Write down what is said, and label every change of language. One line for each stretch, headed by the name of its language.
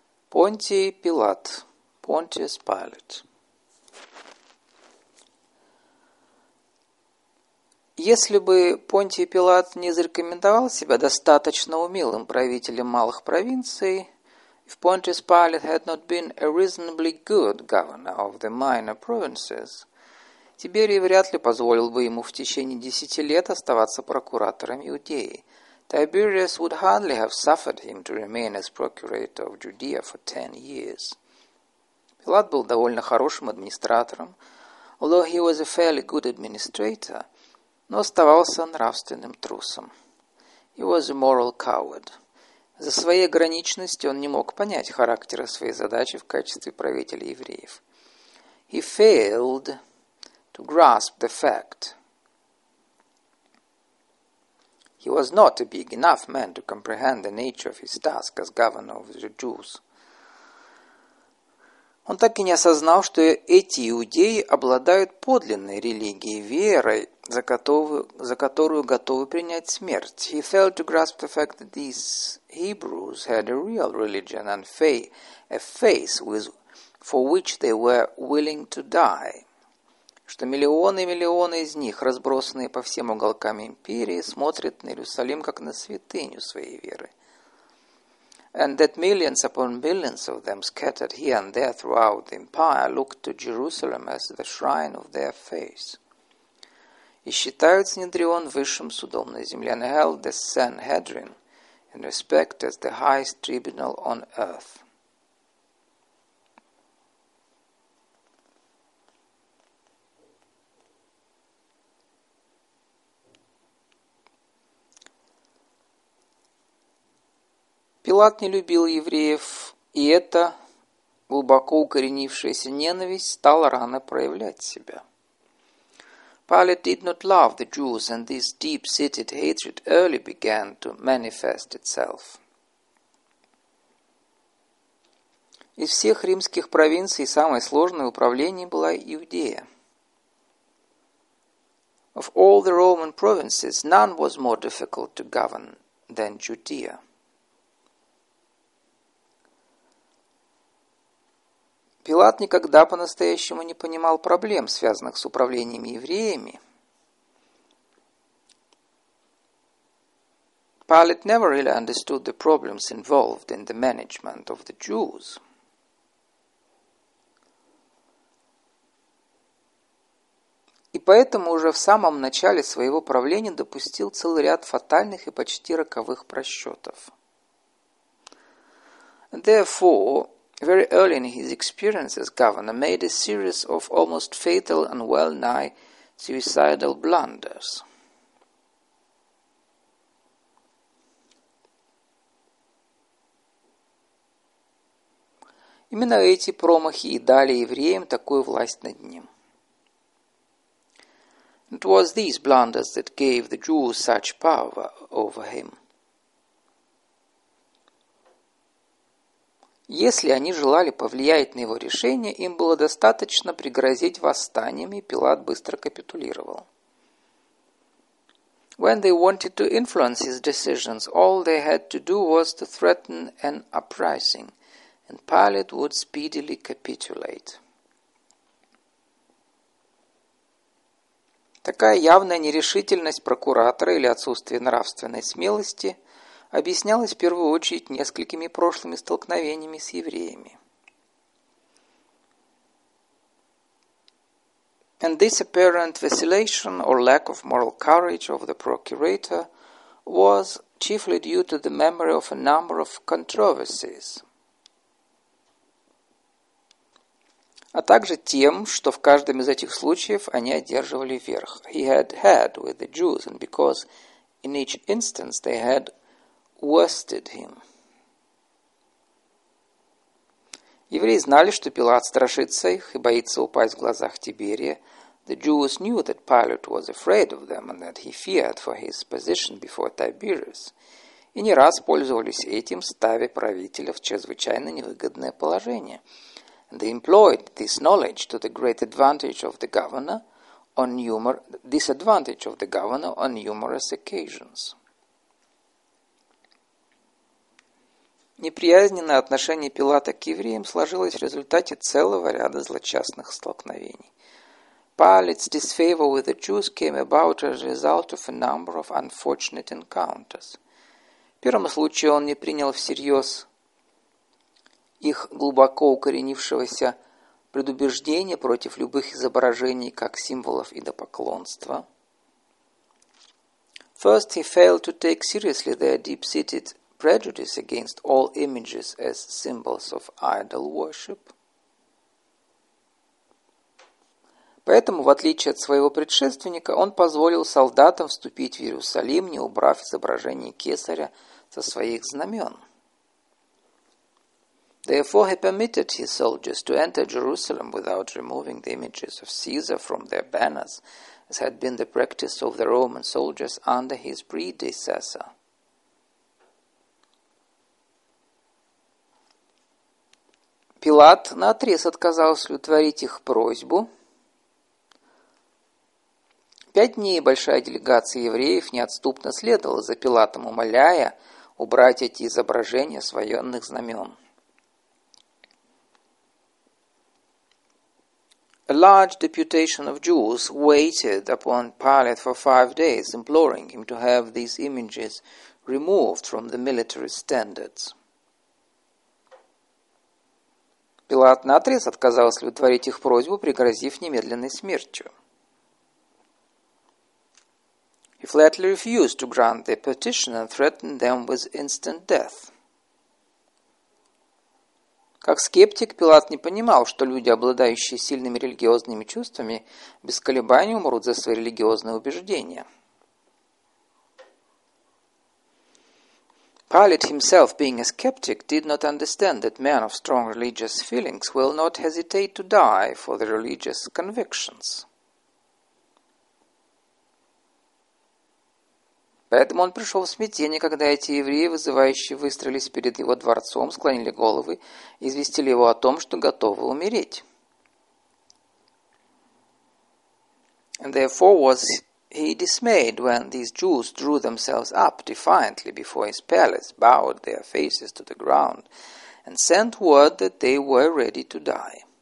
Russian: Понтий Пилат, Pontius Pilate. Если бы Понтий Пилат не зарекомендовал себя достаточно умелым правителем малых провинций,
English: if Pontius Pilate had not been a reasonably good governor of the minor provinces,
Russian: Тиберий вряд ли позволил бы ему в течение 10 лет оставаться прокуратором Иудеи.
English: Tiberius would hardly have suffered him to remain as procurator of Judea for 10 years.
Russian: Пилат был довольно хорошим администратором,
English: although he was a fairly good administrator,
Russian: но оставался нравственным трусом.
English: He was a moral coward,
Russian: За своей ограниченностью он не мог понять характера своей задачи в качестве правителя евреев.
English: He failed to grasp the fact. He was not a big enough man to comprehend the nature of his task as governor of the Jews.
Russian: Он так и не осознал, что эти иудеи обладают подлинной религией, верой, за которую готовы принять смерть.
English: He failed to grasp the fact that these Hebrews had a real religion and a faith for which they were willing to die.
Russian: Что миллионы и миллионы из них, разбросанные по всем уголкам империи, смотрят на Иерусалим как на святыню своей веры.
English: And that millions upon millions of them scattered here and there throughout the empire look to Jerusalem as the shrine of their faith.
Russian: И считают Синедрион высшим судом на земле,
English: and held the Sanhedrin in respect as the highest tribunal on earth.
Russian: Пилат не любил евреев, и эта глубоко укоренившаяся ненависть стала рано проявлять себя.
English: Pilate did not love the Jews, and this deep-seated hatred early began to manifest itself.
Russian: Из всех римских провинций самой сложной в управлении была Иудея.
English: Of all the Roman provinces, none was more difficult to govern than Judea.
Russian: Пилат никогда по-настоящему не понимал проблем, связанных с управлением евреями.
English: Pilate never really understood the problems involved in the management of the Jews.
Russian: И поэтому уже в самом начале своего правления допустил целый ряд фатальных и почти роковых просчетов.
English: Therefore, very early in his experience as governor, made a series of almost fatal and well-nigh suicidal blunders.
Russian: Именно эти промахи и дали евреям такую власть над ним.
English: It was these blunders that gave the Jews such power over him.
Russian: Если они желали повлиять на его решение, им было достаточно пригрозить восстанием, и Пилат быстро капитулировал.
English: When they wanted to influence his decisions, all they had to do was to threaten an uprising, and Pilate would speedily capitulate.
Russian: Такая явная нерешительность прокуратора или отсутствие нравственной смелости – объяснялось в первую очередь несколькими прошлыми столкновениями с евреями.
English: And this apparent vacillation or lack of moral courage of the procurator was chiefly due to the memory of a number of controversies.
Russian: А также тем, что в каждом из этих случаев они одерживали верх.
English: He had had with the Jews, and because in each instance they had worsted him.
Russian: Евреи знали, что Пилат страшится их и боится упасть в глазах Тиберия.
English: The Jews knew that Pilate was afraid of them and that he feared for his position before Tiberius.
Russian: И не раз пользовались этим, ставя правителя в чрезвычайно невыгодное положение.
English: They employed this knowledge to the great advantage of the governor on numerous occasions.
Russian: Неприязненное отношение Пилата к евреям сложилось в результате целого ряда злочастных столкновений.
English: Pilate's disfavor with the Jews came about as a result of a number of unfortunate encounters.
Russian: В первом случае он не принял всерьез их глубоко укоренившегося предубеждения против любых изображений как символов идолопоклонства.
English: First, he failed to take seriously their deep-seated prejudice against all images as symbols of idol worship.
Russian: Поэтому, в отличие от своего предшественника, он позволил солдатам вступить в Иерусалим, не убрав изображение кесаря со своих знамен.
English: Therefore, he permitted his soldiers to enter Jerusalem without removing the images of Caesar from their banners, as had been the practice of the Roman soldiers under his predecessor.
Russian: Пилат наотрез отказался удовлетворить их просьбу. Пять дней большая делегация евреев неотступно следовала за Пилатом, умоляя убрать эти изображения с военных знамен.
English: A large deputation of Jews waited upon Pilate for 5 days, imploring him to have these images removed from the military standards.
Russian: Пилат наотрез отказался удовлетворить их просьбу, пригрозив немедленной смертью.
English: He flatly refused to grant the petition and threatened them with instant death.
Russian: Как скептик, Пилат не понимал, что люди, обладающие сильными религиозными чувствами, без колебаний умрут за свои религиозные убеждения.
English: Pilate himself, being a skeptic, did not understand that men of strong religious feelings will not hesitate to die for their religious convictions.
Russian: Поэтому он пришел в смятение, когда эти евреи, вызывающие, выстроились перед его дворцом, склонили головы и известили его о том, что готовы умереть.
English: And therefore was he dismayed when these Jews drew themselves up defiantly before his palace, bowed their faces to the ground, and sent word that they were ready to die.